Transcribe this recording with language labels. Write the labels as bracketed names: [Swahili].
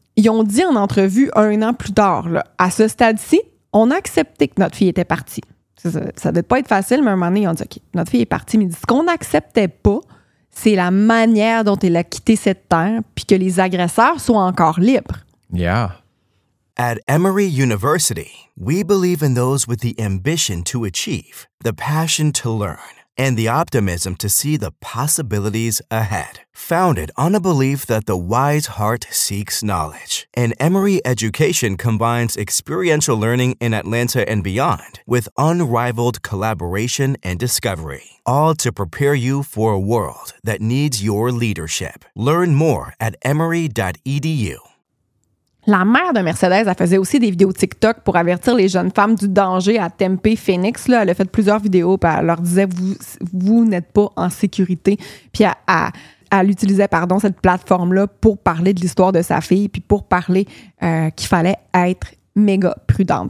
[French] Ils ont dit en entrevue un an plus tard, là, à ce stade-ci, on a accepté que notre fille était partie. Ça devait pas être facile, mais à un moment donné, ils ont dit, OK, notre fille est partie. Mais ce qu'on n'acceptait pas, c'est la manière dont elle a quitté cette terre puis que les agresseurs soient encore libres. [English] Yeah. At Emory University, we believe in those with the ambition to achieve, the passion to learn, and the optimism to see the possibilities ahead. Founded on a belief that the wise heart seeks knowledge, an Emory education combines experiential learning in Atlanta and beyond with unrivaled collaboration and discovery, all to prepare you for a world that needs your leadership. Learn more at emory.edu. [French] La mère de Mercedes, elle faisait aussi des vidéos TikTok pour avertir les jeunes femmes du danger à Tempe, Phoenix. Là, elle a fait plusieurs vidéos, puis elle leur disait vous n'êtes pas en sécurité. Puis elle utilisait, pardon, cette plateforme-là pour parler de l'histoire de sa fille, puis pour parler qu'il fallait être méga prudente.